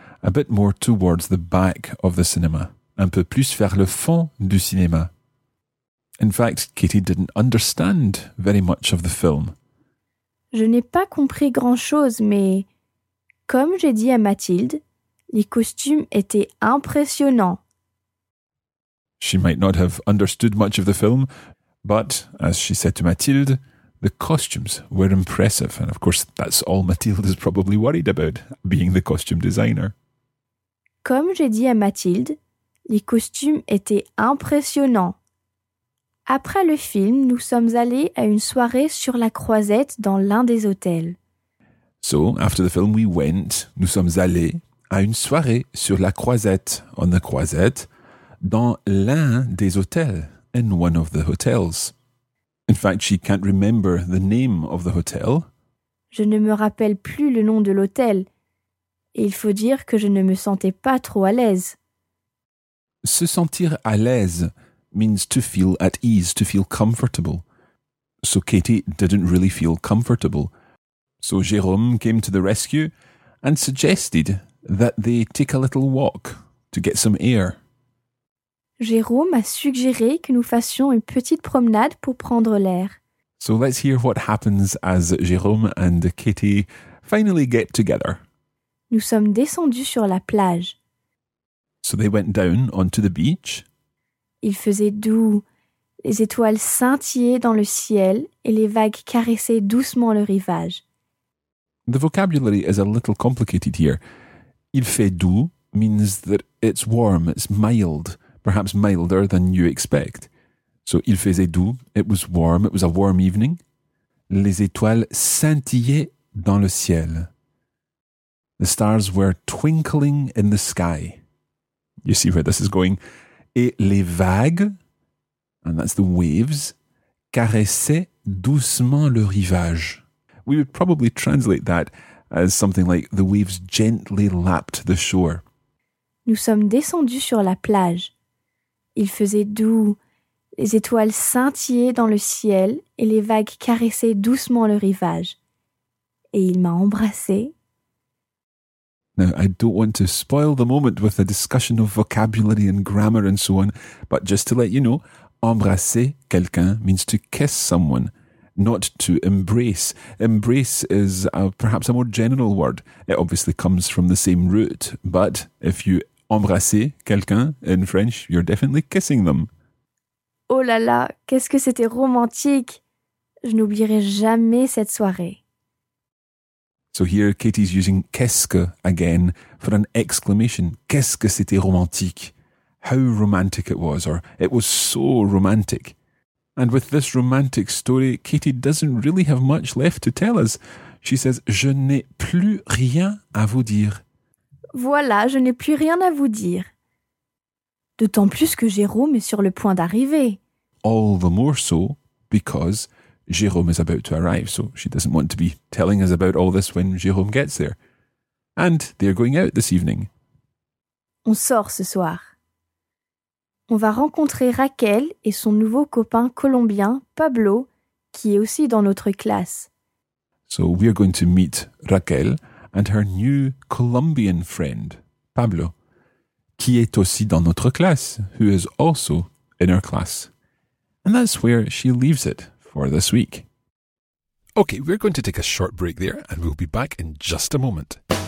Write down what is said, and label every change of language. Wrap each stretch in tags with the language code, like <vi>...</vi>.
<en>A bit more towards the back of the cinema.</en> <fr>Un peu plus vers le fond du cinéma.</fr> <en>In fact, Katie didn't understand very much of the film.</en> <fr>Je n'ai pas compris grand-chose, mais comme j'ai dit à Mathilde, les costumes étaient impressionnants.</fr> <en>She might not have understood much of the film, but as she said to Mathilde, the costumes were impressive. And of course, that's all Mathilde is probably worried about, being the costume designer.</en> <fr>Comme j'ai dit à Mathilde, les costumes étaient impressionnants. Après le film, nous sommes allés à une soirée sur la Croisette dans l'un des hôtels.</fr> <en>So, after the film, we went,</en> <fr>nous sommes allés à une soirée sur la Croisette,</fr> <en>on the Croisette,</en> <fr>dans l'un des hôtels,</fr> <en>in one of the hotels. In fact, she can't remember the name of the hotel.</en> <fr>Je ne me rappelle plus le nom de l'hôtel. et il faut dire que je ne me sentais pas trop à l'aise. Se sentir à l'aise</fr> <en>means to feel at ease, to feel comfortable. So Katie didn't really feel comfortable. So Jérôme came to the rescue and suggested that they take a little walk to get some air.</en> <fr>Jérôme a suggéré que nous fassions une petite promenade pour prendre l'air.</fr> <en>So let's hear what happens as Jérôme and Katie finally get together.</en> <fr>Nous sommes descendus sur la plage.</fr> <en>So they went down onto the beach.</en> <fr>Il faisait doux. Les étoiles scintillaient dans le ciel et les vagues caressaient doucement le rivage.</fr> <en>The vocabulary is a little complicated here.</en> <fr>Il fait doux</fr> <en>means that it's warm, it's mild, perhaps milder than you expect. So</en> <fr>il faisait doux,</fr> <en>it was warm, it was a warm evening.</en> <fr>Les étoiles scintillaient dans le ciel.</fr> <en>The stars were twinkling in the sky. You see where this is going.</en> <fr>Et les vagues,</fr> <en>and that's the waves,</en> <fr>caressaient doucement le rivage.</fr> <en>We would probably translate that as something like the waves gently lapped the shore.</en> <fr>Nous sommes descendus sur la plage. Il faisait doux. Les étoiles scintillaient dans le ciel et les vagues caressaient doucement le rivage. Et il m'a embrassé.</fr> <en>Now, I don't want to spoil the moment with a discussion of vocabulary and grammar and so on, but just to let you know,</en> <fr>embrasser quelqu'un</fr> <en>means to kiss someone, not to embrace. Embrace is perhaps a more general word. It obviously comes from the same root, but if you</en> <fr>embrasser quelqu'un</fr> <en>in French, you're definitely kissing them.</en> <fr>Oh là là, qu'est-ce que c'était romantique! Je n'oublierai jamais cette soirée.</fr> <en>So here Katie's using</en> <fr>qu'est-ce que</fr> <en>again for an exclamation.</en> <fr>Qu'est-ce que c'était romantique?</fr> <en>How romantic it was, or it was so romantic. And with this romantic story, Katie doesn't really have much left to tell us. She says,</en> <fr>je n'ai plus rien à vous dire. Voilà, je n'ai plus rien à vous dire. D'autant plus que Jérôme est sur le point d'arriver.</fr> <en>All the more so because Jérôme is about to arrive, so she doesn't want to be telling us about all this when Jérôme gets there. And they're going out this evening.</en> <fr>On sort ce soir. On va rencontrer Raquel et son nouveau copain colombien, Pablo, qui est aussi dans notre classe.</fr> <en>So we are going to meet Raquel and her new Colombian friend, Pablo,</en> <fr>qui est aussi dans notre classe,</fr> <en>who is also in our class. And that's where she leaves it for this week. Okay, we're going to take a short break there and we'll be back in just a moment.</en>